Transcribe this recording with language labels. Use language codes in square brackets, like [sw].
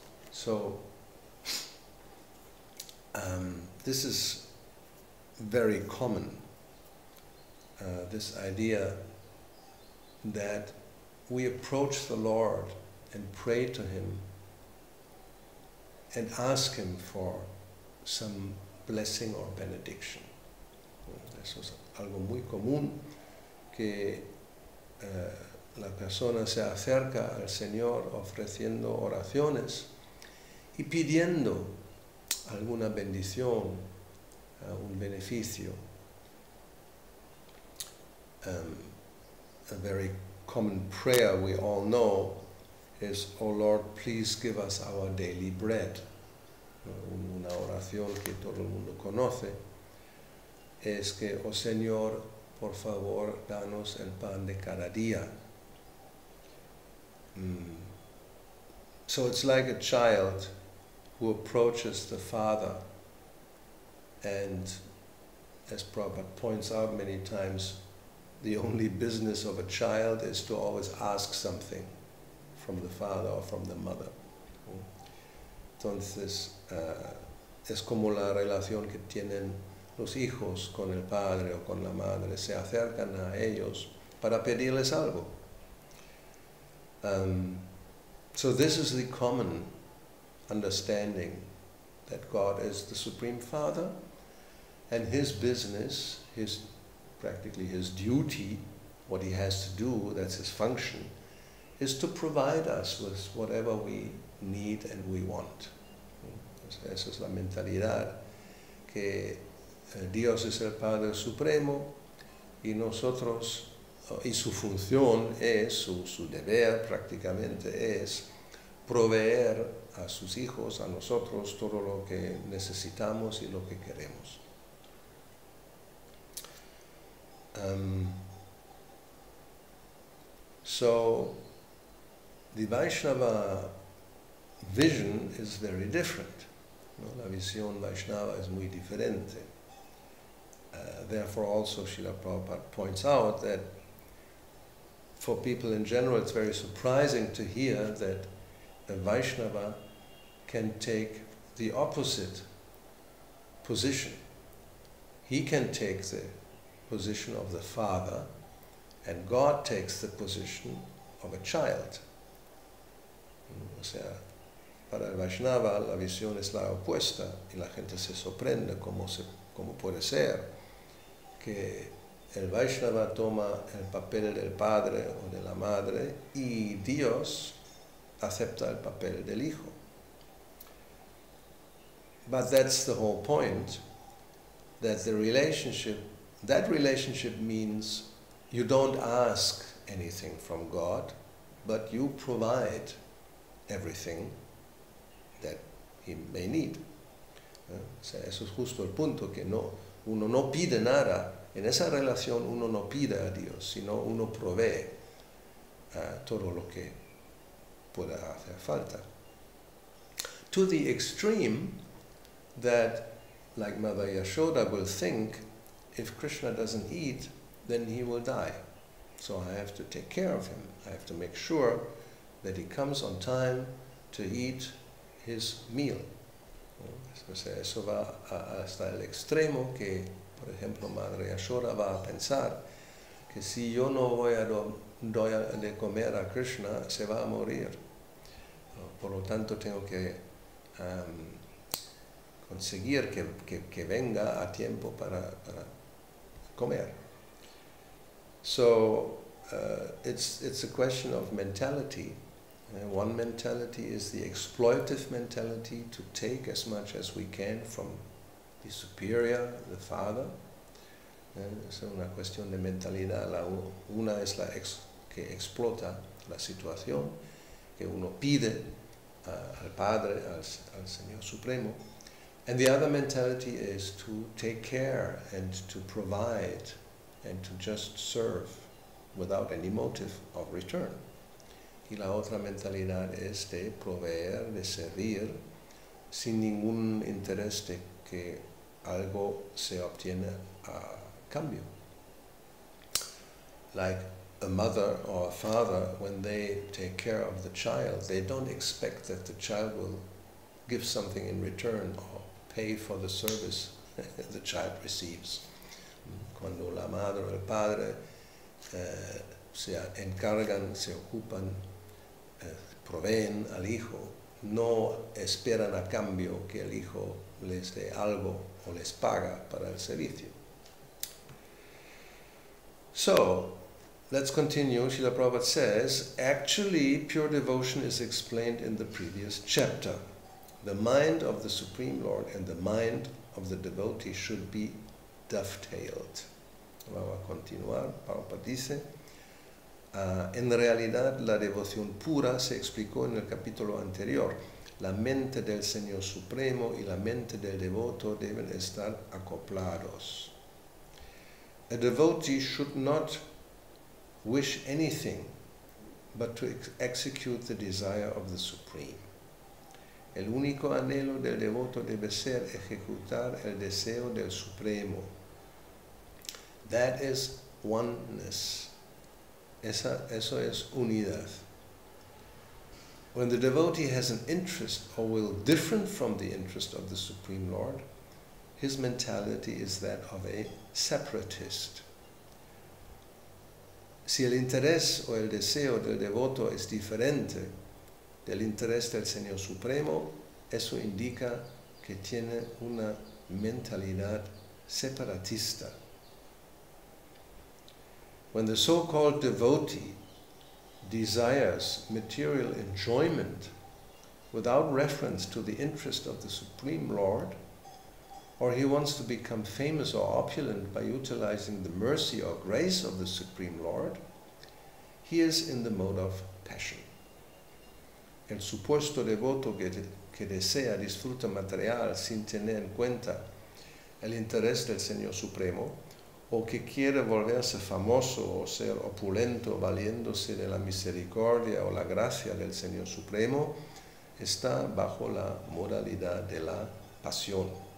[en] So, this is very common, this idea that we approach the Lord and pray to Him and ask Him for some blessing or benediction. [es] Eso es algo muy común, que la persona se acerca al Señor ofreciendo oraciones y pidiendo alguna bendición, un beneficio. [en] A very common prayer we all know is, "Oh Lord, please give us our daily bread." [es] Una oración que todo el mundo conoce es que, "Oh Señor, por favor, danos el pan de cada día." [en] So it's like a child who approaches the father, and as Prabhupada points out many times, the only business of a child is to always ask something from the father or from the mother. [es] Entonces, es como la relación que tienen los hijos con el padre o con la madre, se acercan a ellos para pedirles algo. [en] So this is the common understanding, that God is the Supreme Father, and His business, His practically His duty, what He has to do, that's His function, is to provide us with whatever we need and we want. [es] Esa es la mentalidad, que Dios es el Padre Supremo y nosotros, y su función es, su deber prácticamente es proveer a sus hijos, a nosotros, todo lo que necesitamos y lo que queremos. [en] So, the Vaishnava vision is very different. [es] No, la visión Vaishnava es muy diferente. [en] Therefore also Srila Prabhupada points out that for people in general it's very surprising to hear that a Vaishnava can take the opposite position. He can take the position of the father and God takes the position of a child. [es] O sea, para el Vaishnava la visión es la opuesta y la gente se sorprende cómo puede ser que el Vaishnava toma el papel del padre o de la madre y Dios acepta el papel del hijo. [en] But that's the whole point, that that relationship means you don't ask anything from God, but you provide everything that he may need. [es] Eso es justo el punto, que no, uno no pide nada. En esa relación uno no pide a Dios, sino uno provee todo lo que pueda hacer falta. [en] To the extreme that, like Mother Yashoda will think, if Krishna doesn't eat, then he will die. So I have to take care of him. I have to make sure that he comes on time to eat his meal. [es] Eso va hasta el extremo que, por ejemplo, Madre Yashoda va a pensar que si yo no voy a de comer a Krishna, se va a morir. Por lo tanto, tengo que conseguir que venga a tiempo para comer. [en] So, it's a question of mentality. One mentality is the exploitive mentality, to take as much as we can from the superior, the father. [es] Es una cuestión de mentalidad. Una es la que explota la situación, que uno pide al padre, al Señor Supremo. [en] And the other mentality is to take care and to provide and to just serve without any motive of return. [es] Y la otra mentalidad es de proveer, de servir, sin ningún interés de que algo se obtiene a cambio. [en] like a mother or a father, when they take care of the child, they don't expect that the child will give something in return or pay for the service the child receives. [es] Cuando la madre o el padre se encargan, se ocupan, proveen al hijo, no esperan a cambio que el hijo les dé algo o les paga para el servicio. [en] So, let's continue. Srila Prabhupada says, actually, pure devotion is explained in the previous chapter. The mind of the Supreme Lord and the mind of the devotee should be dovetailed. [es] Vamos a continuar. Prabhupada dice, en realidad, la devoción pura se explicó en el capítulo anterior. La mente del Señor Supremo y la mente del devoto deben estar acoplados. [en] A devotee should not wish anything but to execute the desire of the Supreme. [es] El único anhelo del devoto debe ser ejecutar el deseo del Supremo. [en] That is oneness. [es] Eso es unidad. [en] When the devotee has an interest or will different from the interest of the Supreme Lord, his mentality is that of a separatist. [es] Si el interés o el deseo del devoto es diferente del interés del Señor Supremo, eso indica que tiene una mentalidad separatista. [en] When the so-called devotee desires material enjoyment without reference to the interest of the Supreme Lord, or he wants to become famous or opulent by utilizing the mercy or grace of the Supreme Lord, he is in the mode of passion. [es] El supuesto devoto que desea disfrute material sin tener en cuenta el interés del Señor Supremo, o que quiere volverse famoso o ser opulento valiéndose de la misericordia o la gracia del Señor Supremo, está bajo la modalidad de la pasión.